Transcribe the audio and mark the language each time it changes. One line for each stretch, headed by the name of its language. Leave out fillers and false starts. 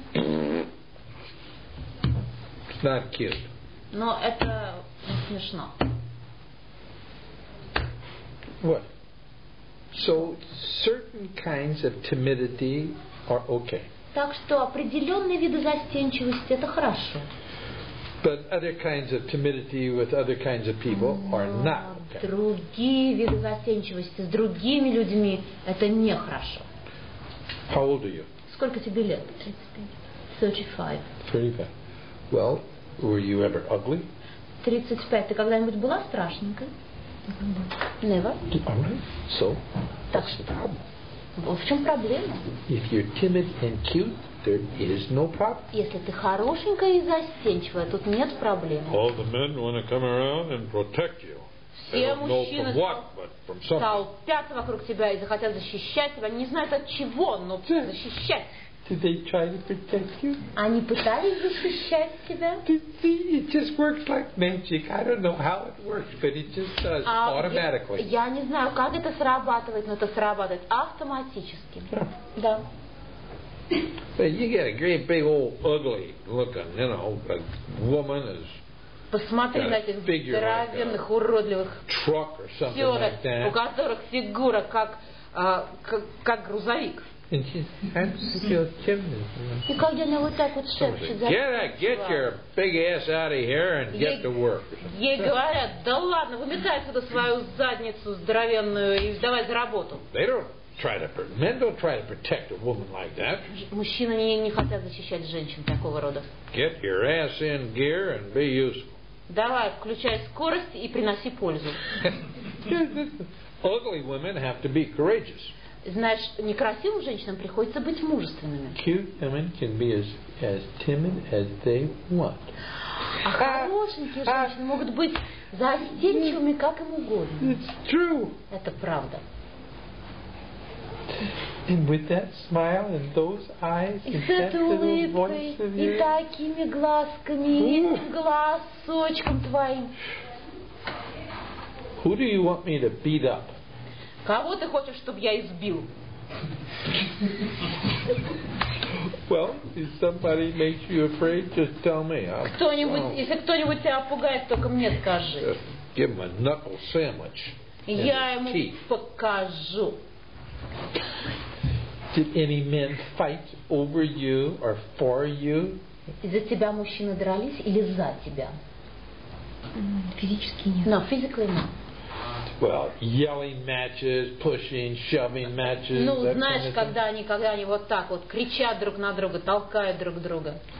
English: it's not cute.
Russian: Но это смешно.
English: What? So certain kinds of timidity are okay.
Russian: Так что определенные виды застенчивости — это хорошо.
English: But other kinds of timidity with other kinds of people are not okay.
Russian: Другие виды застенчивости с другими людьми — это не хорошо.
English: How old are you?
Russian: Сколько тебе лет?
English: 35. Well, were you ever ugly?
Russian: 35. Ты когда-нибудь была страшненькой?
English: Never. All right. So, that's the problem.
Russian: В чем проблема?
English: If you're timid and cute, there is no problem.
Russian: Если ты хорошенькая и застенчивая, тут нет проблем.
English: All the men want to come around and protect you.
Russian: Все мужчины толпятся вокруг тебя и захотят защищать тебя. Они не знают от чего, но защищать.
English: Did they try to protect you?
Russian: Они пытались защищать тебя?
English: It just works like magic. I don't know how it works, but it just does automatically.
Russian: Я не знаю, как это срабатывает, но это срабатывает автоматически. Да.
English: But you get a great big old ugly looking, you know, a woman is.
Russian: Посмотри на этих здоровенных, уродливых фигурок, у которых фигура как грузовик. И когда она вот так вот шепчет,
English: get your big ass out of here and get to work.
Russian: Ей говорят, да ладно, выметай отсюда свою задницу здоровенную и давай за работу.
English: Men don't try to protect a woman like that.
Russian: Мужчины не хотят защищать женщин такого рода.
English: Get your ass in gear and be useful.
Russian: Давай, включай скорость и приноси пользу.
English: Ugly women have to be courageous.
Russian: Знаешь, некрасивым женщинам приходится быть мужественными.
English: Cute women can be as timid as they want.
Russian: А хорошенькие женщины могут быть застенчивыми как им угодно.
English: It's true.
Russian: Это правда.
English: And with that smile and those eyes and that little
Russian: улыбкой,
English: voice of yours,
Russian: и такими глазками, и глазочком твоим.
English: Who do you want me to beat up?
Russian: Кого ты хочешь, чтобы я избил?
English: Well, if somebody makes you afraid, just tell me.
Russian: Если кто-нибудь тебя пугает, только мне скажи.
English: Give him a knuckle sandwich.
Russian: Я ему покажу.
English: Did any men fight over you or for you?
Russian: Из-за тебя мужчины дрались или за тебя? Физически нет.
English: No, physically no. Well, yelling matches, pushing, shoving matches.
Russian: Ну, знаешь, когда они вот так вот кричат друг на друга, толкают друг друга.